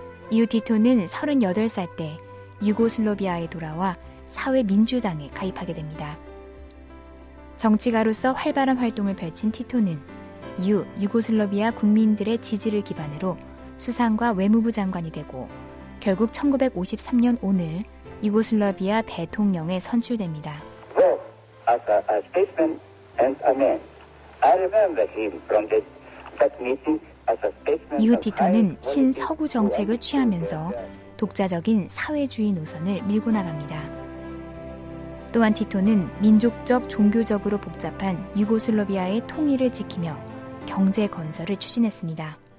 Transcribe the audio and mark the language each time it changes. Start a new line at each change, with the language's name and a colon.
Korean: 이후 티토는 38살 때 유고슬로비아에 돌아와 사회민주당에 가입하게 됩니다. 정치가로서 활발한 활동을 펼친 티토는 이후 유고슬로비아 국민들의 지지를 기반으로 수상과 외무부 장관이 되고 결국 1953년 오늘 유고슬라비아 대통령에 선출됩니다.
English: As a statesman and a man, I remember him from that meeting as a statesman.
Korean: 이후 티토는 신서구 정책을 취하면서 독자적인 사회주의 노선을 밀고 나갑니다. 또한 티토는 민족적 종교적으로 복잡한 유고슬라비아의 통일을 지키며 경제 건설을 추진했습니다.